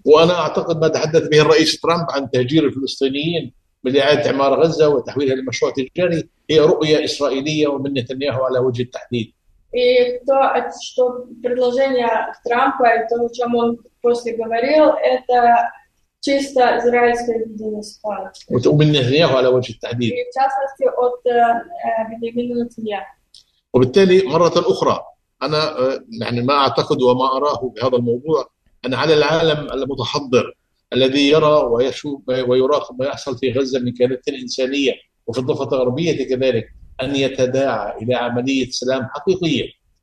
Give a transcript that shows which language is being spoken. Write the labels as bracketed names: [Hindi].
[Arabic] وأنا أعتقد ما تحدث به الرئيس ترامب عن تهجير الفلسطينيين بإعادة إعمار غزة وتحويلها لمشروع تجاري هي رؤية إسرائيلية ومن نتنياهو على وجه التحديد. [Russian] И то, что предложение Трампа и то, о чем он после говорил, это чисто израильское видение ситуации. [Arabic] ومن نتنياهو على وجه التحديد. [Russian] И в частности от Бенямина Нетаньяху. [Arabic] وبالتالي مرة أخرى. أنا يعني ما أعتقد وما أراه بهذا الموضوع أن على العالم المتحضر الذي يرى ويشوف ويراقب ما يحصل في غزة من كارثة إنسانية وفي الضفة الغربية كذلك أن يتداعى إلى عملية سلام حقيقية.